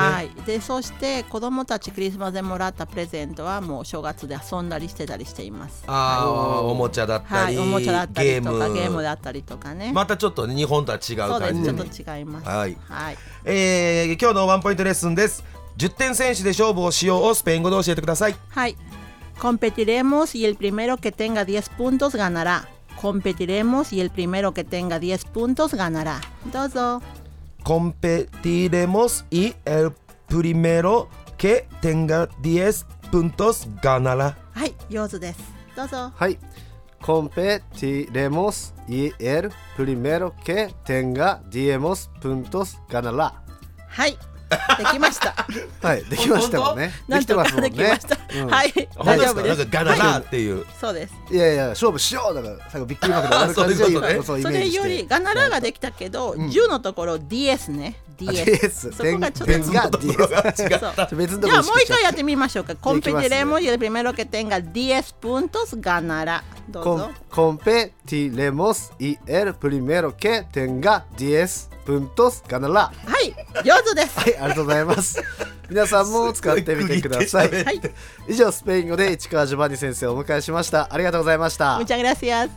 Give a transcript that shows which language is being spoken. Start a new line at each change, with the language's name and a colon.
Japanese: はい、でそして子供たちクリスマスでもらったプレゼントはもう正月で遊んだりしてたりしています。あ、はい、おもちゃだったり、はい、おもちゃだったりとかゲームだったりとかね。またちょっと、ね、日本とは違う感じ。そうです、ちょっと違います。はい、はい、今日のワンポイントレッスンです。10点先取で勝負をしようをスペイン語で教えてください。はい。
Spanish: Competiremos y el primero que tenga 10 puntos ganará. Competiremos y el primero que tenga 10 puntos ganará.
Japanese: どうぞ。
Spanish: Competiremos y el primero que tenga 10 puntos ganará.
Japanese: はい、上手です。どうぞ。はい。
Spanish: Competiremos y el primero que tenga 10 puntos ganará。
Japanese: はい、できました。はい、できましたもんね。できてますもんね。できました。うん、はい、大丈夫です。なんかガナナっていう、はい、そうです。いやいや、勝負しようだから最後ビッキリマークで終わる感じで。そういうことね。それよりガナラができたけど、うん、10のところ DS ね。 DS、そこがちょっと別のところが違った別のところ。じゃあもう一回やってみましょうか。
Spanish: コンペティレモス y el primero que tenga 10 puntos ganará。
Japanese: どうぞ。
Spanish: コンペティレモス y el primero que tenga 10プントスガナラ。
Japanese: はい、上手です。はい、ありがとうございます。皆さんも使ってみてください。はい、以上スペイン語で市川ジョバンニ先生をお迎えしました。ありがとうございました。
Spanish: Muchas gracias。